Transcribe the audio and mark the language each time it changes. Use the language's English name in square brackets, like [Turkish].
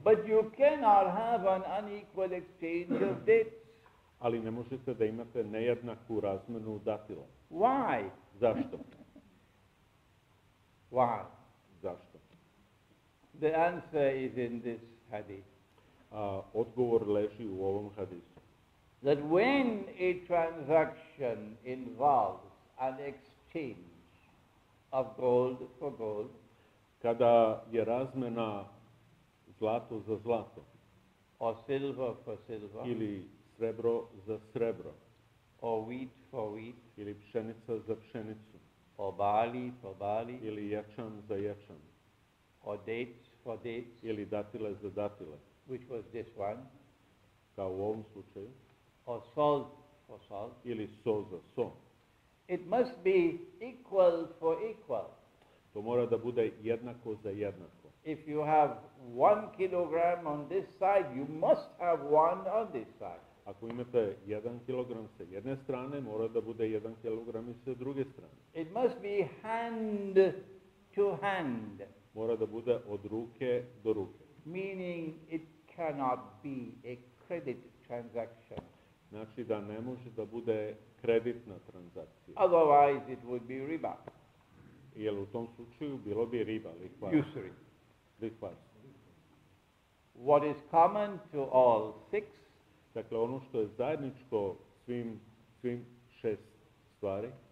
[English] But you cannot have an unequal exchange of dates. [Serbian] Ali ne možete da imate nejednaku razmenu datila. [English] Why? [Serbian] Zašto? [English] Why? [Serbian] Zašto? [English] The answer is in this hadith. [Serbian] Odgovor leži u ovom hadisu. [English] That when a transaction involves an exchange of gold for gold, [Serbian] kada je razmena zlato za zlato, [English] or silver for silver, [Serbian] ili srebro za srebro, [English] or wheat for wheat, [Serbian] ili pšenica za pšenicu, Obali, pobali. Ili ječan za ječan. [English] Or dates for dates. [Serbian] Ili datile za datile. [English] Which was this one. [Serbian] Kao u ovom slučaju. [English] Or salt for salt. [Serbian] Ili so za so. [English] It must be equal for equal. [Serbian] To mora da bude jednako za jednako. [English] If you have 1 kilogram on this side, you must have one on this side. [Serbian] Ako imate 1 kilogram sa jedne strane, mora da bude 1 kilogram I sa druge strane. [English] It must be hand to hand. [Serbian] Mora da bude od ruke do ruke. [English] Meaning it cannot be a credit transaction. [Serbian] Znači da ne može da bude kreditna transakcija. [English] Otherwise it would be riba. [Serbian] Jer u tom slučaju bilo bi riba, likvar. [English] Usury. [Serbian] Likvar. [English] What is common to all six? [Serbian] Dakle, ono što je zajedničko svim šest stvari.